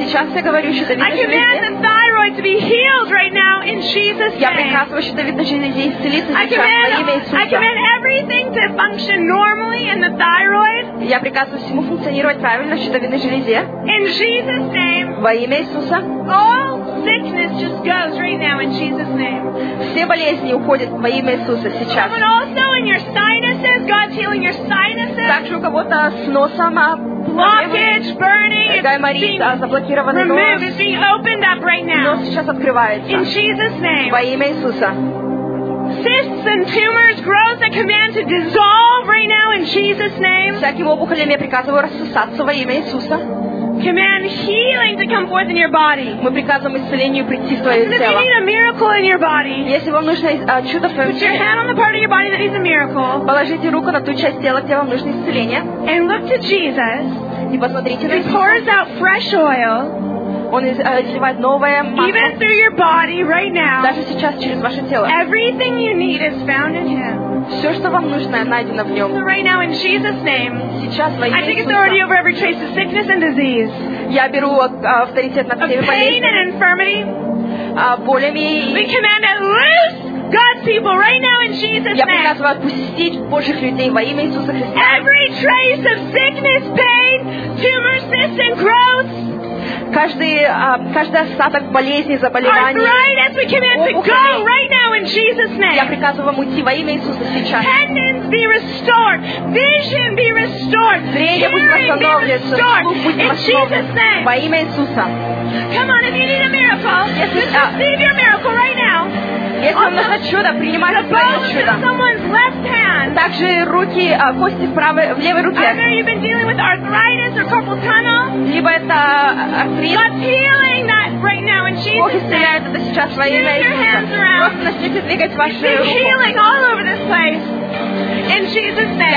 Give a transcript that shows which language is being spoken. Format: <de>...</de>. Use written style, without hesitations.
<ru>Сейчас я говорю щитовидной железе.</ru> <en>I command the thyroid to be healed right now in Jesus' name.</en> <ru>Я приказываю щитовидной железе исцелиться сейчас во имя Иисуса.</ru> <en>I command everything to function normally in the thyroid.</en> <ru>Я приказываю всему функционировать правильно в щитовидной железе.</ru> <en>In Jesus' name.</en> <ru>Во имя Иисуса.</ru> <en>Sickness just goes right now in Jesus' name.</en> <ru>Все болезни уходят во имя Иисуса сейчас.</ru> <en>Someone also in your sinuses, God's healing your sinuses.</en> <ru>Также у кого-то с носом</ru> <en>blockage, burning, it's being removed, it's being opened up right now.</en> <ru>Нос сейчас открывается.</ru> <en>In Jesus' name.</en> <ru>Во имя Иисуса.</ru> <en>Cysts and tumors, growths, I command to dissolve right now in Jesus' name.</en> <ru>Всяким опухолям я приказываю рассосаться во имя Иисуса.</ru> <en>Command healing to come forth in your body.</en> <ru>Мы приказываем исцелению прийти в твое тело.</ru> <en>If you need a miracle in your body,</en> <ru>если вам нужно чудо в твоем теле,</ru> <en>put your hand on the part of your body that needs a miracle.</en> <ru>Положите руку на ту часть тела, где вам нужно исцеление.</ru> <en>And look to Jesus.</en> <ru>И посмотрите на Иисуса.</ru> <en>He pours out fresh oil.</en> <ru>Он изливает новое масло.</ru> <en>Even through your body right now.</en> <ru>Даже сейчас через ваше тело.</ru> <en>Everything you need is found in Him.</en> <ru>Все, что вам нужно, найдено в нем.</ru> <en>Right now, in Jesus' name,</en> <ru>сейчас во имя</ru> <en>I take authority over every trace of sickness and disease.</en> <ru>Я беру авторитет над всеми болезнями. Болями.</ru> <en>We command it loose God's people right now in Jesus' name.</en> <ru>Я приказываю отпустить Божьих людей во имя Иисуса Христа.</ru> <en>Every trace of sickness, pain, tumor, cysts, and growths.</en> <ru>Каждый остаток болезни, заболеваний,</ru> <en>arthritis, we command to go right now in Jesus' name.</en> <ru>Я приказываю вам уйти во имя Иисуса сейчас.</ru> <en>Tendons be restored. Vision be restored.</en> <ru>Зрение будет восстановлено. Слух будет восстановлен. Во имя Иисуса.</ru> <en>Come on, if you need a miracle, just receive your miracle right now.</en> <ru>Если вам нужно чудо, принимайте свое чудо.</ru> <en>The bones in someone's left hand.</en> <ru>Также руки, кости в левой руке.</ru> <en>Either you've been dealing with arthritis or carpal tunnel.</en> <ru>Либо это артрит.</ru> <en>God's healing that right now in Jesus' name.</en> <ru>Бог исцеляет это сейчас во имя Иисуса. Просто начните двигать ваши руки.</ru> <en>Receive healing all over this place in Jesus' name.</en>